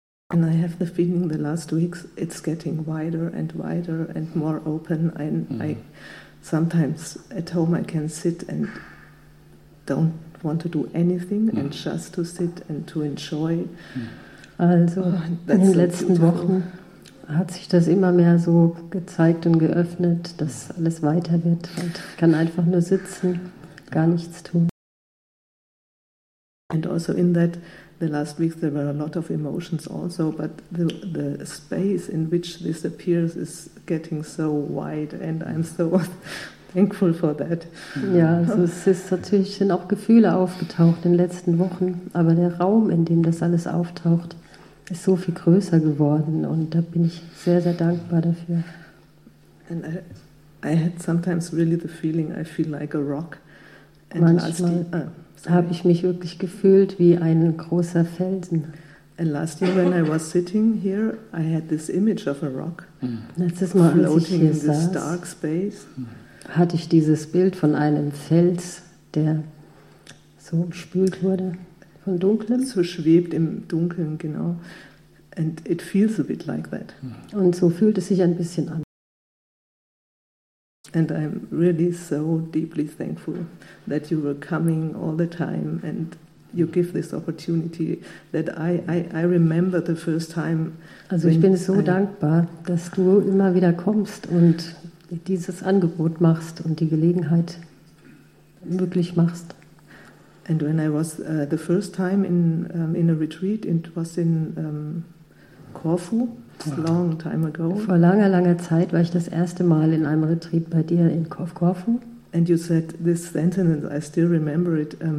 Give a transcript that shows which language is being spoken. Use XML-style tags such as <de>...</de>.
<en>And I have the feeling the last weeks it's getting wider and wider and more open. And I sometimes at home I can sit and don't want to do anything and just to sit and to enjoy.</en> <de>Also in den letzten Wochen hat sich das immer mehr so gezeigt und geöffnet, dass alles weiter wird und kann einfach nur sitzen, gar nichts tun.</de> <en>And also in that, the last weeks there were a lot of emotions also, but the space in which this appears is getting so wide and I'm so thankful for that.</en> <de>Ja, also es ist natürlich, sind auch Gefühle aufgetaucht in den letzten Wochen, aber der Raum, in dem das alles auftaucht, ist so viel größer geworden und da bin ich sehr, sehr dankbar dafür.</de> <en>And I had sometimes really the feeling I feel like a rock.</en> <de>And manchmal habe ich mich wirklich gefühlt wie ein großer Felsen.</de> <en>And last year when I was sitting here, I had this image of a rock.</en> <de>Letztes Mal,</de> <en>floating</en> <de>als ich hier</de> <en>in</en> <de>saß,</de> <en>this dark space,</en> <de>hatte ich dieses Bild von einem Fels, der so umspült wurde, von Dunklem. So schwebt im Dunkeln, genau.</de> <en>And it feels a bit like that.</en> <de>Und so fühlt es sich ein bisschen an.</de> <en>And I'm really so deeply thankful that you were coming all the time and you give this opportunity that I remember the first time.</en> <de>Also ich bin so dankbar, dass du immer wieder kommst und dieses Angebot machst und die Gelegenheit möglich machst.</de> <en>And when I was the first time in a retreat, it was in Corfu. Long time ago.</en> <de>Vor langer, langer Zeit war ich das erste Mal in einem Retreat bei dir in Corfu.</de> <en>And you said this sentence, and I still remember it.</en>